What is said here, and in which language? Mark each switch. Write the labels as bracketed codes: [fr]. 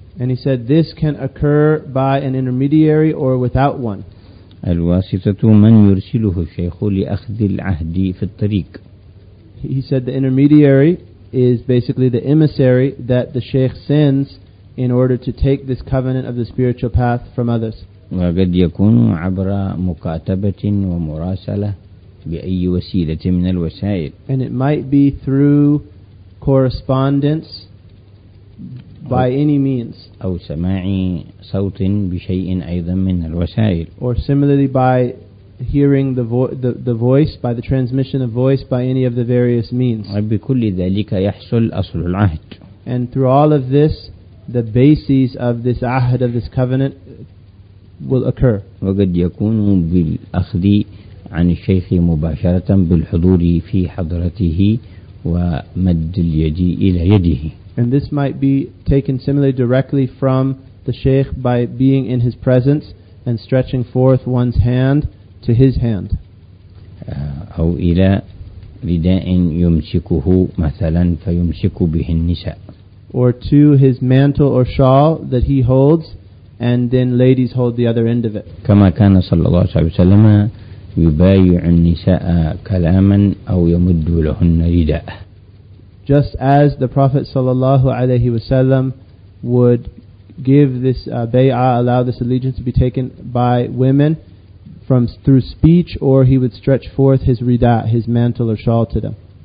[en] And he said this can occur by an intermediary or without one. [ar] الواسطة من يرسله الشيخ لأخذ العهد في الطريق. [en] He said the intermediary is basically the emissary that the sheikh sends in order to take this covenant of the spiritual path from others. [ar] وقد يكون عبر مكاتبة ومراسلة بأي وسيلة من الوسائل. [en] And it might be through correspondence by any means. [ar] أو سماع صوت بشيء أيضا من الوسائل. [en] Or similarly by hearing the voice by the transmission of voice by any of the various means. [ar] وبكل ذلك يحصل أصل العهد. [en] And through all of this, the basis of this ahd of this covenant will occur. [ar] وقد يكون بالأخذ عن الشيخ مباشرة بالحضور في حضرته ومد اليد إلى يده. [en] And this might be taken similarly directly from the sheikh by being in his presence and stretching forth one's hand to his hand. [ar] أو إلى رداء يمسكه مثلا فيمسك به النساء. [en] Or to his mantle or shawl that he holds, and then ladies hold the other end of it. [ar] كما كان صلى الله عليه وسلم يبايع النساء كلاما أو يمد لهن رداء. [en] Just as the Prophet [ar] صلى الله عليه وسلم [en] would give this bay'ah, allow this allegiance to be taken by women from through speech, or he would stretch forth his rida, his mantle or shawl to them.